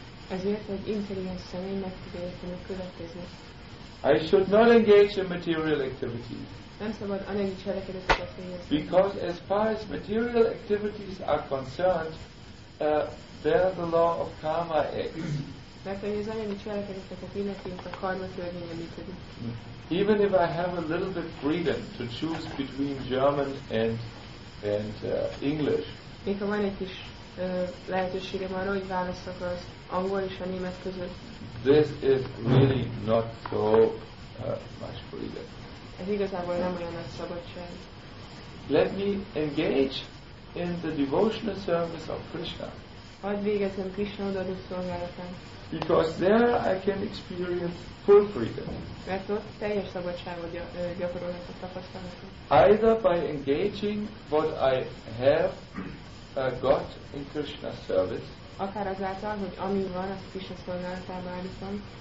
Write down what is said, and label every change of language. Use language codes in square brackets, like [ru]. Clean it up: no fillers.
[hu] Ezért egy intelligens személy meg tudja érteni a következőt. [en] I should not engage in material activities. [hu] Nem szabad anyagi cselekedeteket végezni. [en] Because as far as material activities are concerned, there the law of karma acts. [hu] Mert hogy az anyagi cselekedeteket illeti, a karma törvénye működik. [en] Even if I have a little bit freedom to choose between German and English. [hu] Még ha van egy kis lehetőségem arra, hogy választok az angol és a német között. [en] This is really not so much freedom. [hu] Ez igazából nem olyan nagy szabadság. [en] Let me engage in the devotional service of Krishna. [hu] Hadd végezzem Krishna odaadó szolgálatán. [en] Because there I can experience full freedom. [hu] Mert ott teljes szabadságot gyakorolhat a tapasztalatot. [en] Either by engaging what I have got in Krishna service. [hu] Akár azáltal, hogy ami van, azt Krishna szolgálatába állítom.